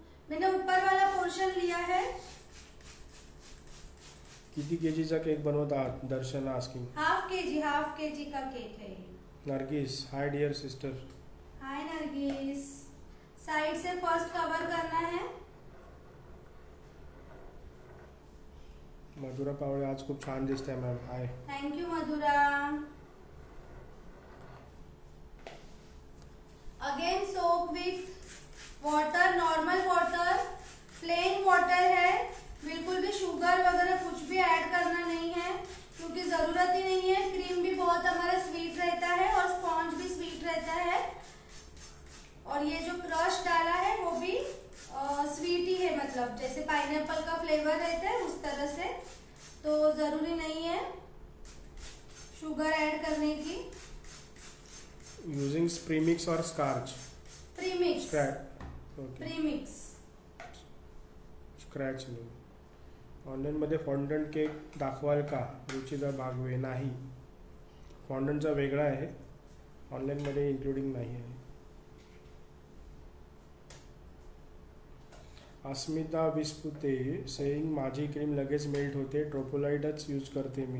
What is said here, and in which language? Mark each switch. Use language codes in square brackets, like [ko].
[hi] मैंने ऊपर वाला पोर्शन लिया है। कितनी केजी का केक बनवाता दर्शन आस्किंग? हाफ केजी का केक है। [en] Nargis, hi dear sister. Hi Nargis. [hi] साइड से फर्स्ट कवर करना है। [mr] मधुरा पावळे, आज खूप छान दिसतंय ma'am, high. [en] Thank you Madhura. Again soap with water, normal water, plain water [hi] है, बिल्कुल भी शुगर वगैरह कुछ भी ऐड करना नहीं है क्योंकि जरूरत ही नहीं है। क्रीम भी बहुत हमारा स्वीट रहता है और स्पॉन्ज भी स्वीट रहता है, और ये जो क्रश डाला है वो भी स्वीट ही है, मतलब जैसे पाइनएप्पल का फ्लेवर रहता है उस तरह से, तो जरूरी नहीं है शुगर ऐड करने की। [en] Using premix और scratch? Premix, [hi] प्रीमिक्स, स्क्रैच नहीं। [mr] ऑनलाइन मध्ये फॉन्डंट केक दाखवाल का? रुचिदार भागवे, नाही, फॉन्डंट चा वेगळा आहे, ऑनलाइन मध्ये इन्क्लुडिंग नाही आहे। अस्मिता विस्पुते सेइंग, माझी क्रीम लगेच मेल्ट होते, ट्रोपोलाइटच यूज करते मी।